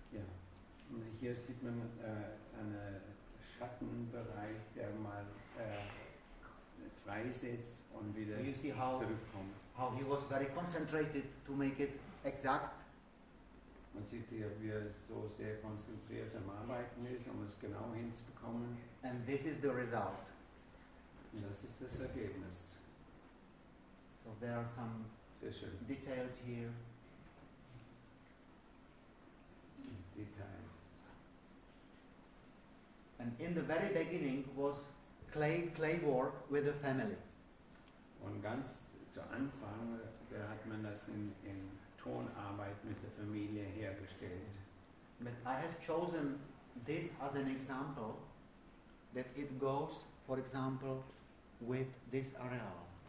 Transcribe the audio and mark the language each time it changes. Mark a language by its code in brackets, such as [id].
[en] Yeah. [de] Und hier sieht man einen Schattenbereich, der mal freisetzt und wieder zurückkommt. [en] So you see how he was very concentrated to make it exact. [de] Man sieht hier, wie er so sehr konzentriert am Arbeiten ist, um es genau hinzubekommen. [en] And this is the result. [de] Und das ist das Ergebnis. [en] So there are some details here. [de] Details. [en] And in the very beginning was clay work with the family. [de] Und ganz zu Anfang, da hat man das in Tonarbeit mit der Familie hergestellt. [en] But I have chosen this as an example that it goes, for example, with this areal.